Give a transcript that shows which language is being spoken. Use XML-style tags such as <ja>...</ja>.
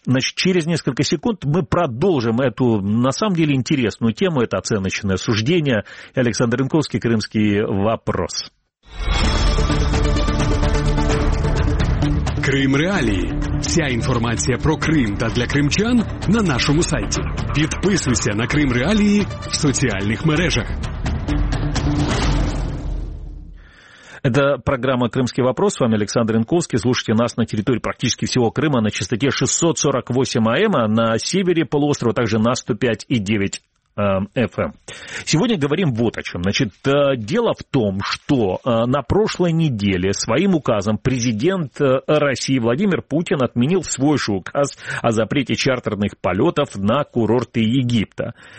<ru>Значит, через несколько секунд мы продолжим эту, на самом деле, интересную тему, это оценочное суждение. Александр Янковский, «Крымский вопрос».</ru> <uk>Крим Реалії. Вся інформація про Крим та для кримчан на нашому сайті. Підписуйся на Крим Реалії в соціальних мережах.</uk> <ru>Это программа «Крымский вопрос». С вами Александр Янковский. Слушайте нас на территории практически всего Крыма на частоте 648 АМ, а на севере полуострова также на 105,9 FM. Сегодня говорим вот о чем. Значит, дело в том, что на прошлой неделе своим указом президент России Владимир Путин отменил свой же указ о запрете чартерных полетов на курорты Египта.</ru>